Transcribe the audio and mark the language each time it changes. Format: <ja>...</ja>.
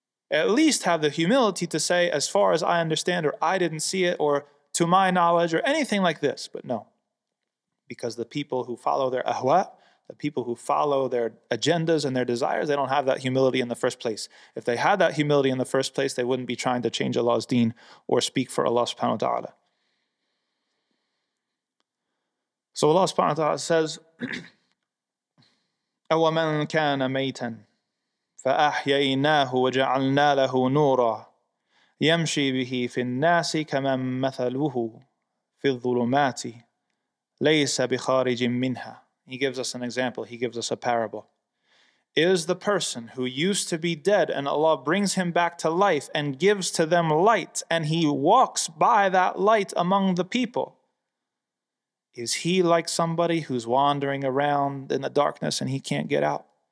<en>At least have the humility to say, as far as I understand, or I didn't see it, or to my knowledge, or anything like this. But no, because the people who follow their ahwa, the people who follow their agendas and their desires, they don't have that humility in the first place. If they had that humility in the first place, they wouldn't be trying to change Allah's deen or speak for Allah subhanahu wa ta'ala. So Allah subhanahu wa ta'ala says,</en> <ar>أَوَمَنْ كَانَ مَيْتًا فَأَحْيَيْنَاهُ وَجَعَلْنَا لَهُ نُورًا يَمْشِي بِهِ فِي النَّاسِ كَمَنْ مَثَلُهُ فِي الظُّلُمَاتِ لَيْسَ بِخَارِجٍ مِّنْهَا.</ar> <en>He gives us an example. He gives us a parable. Is the person who used to be dead and Allah brings him back to life and gives to them light and he walks by that light among the people, is he like somebody who's wandering around in the darkness and he can't get out?</en>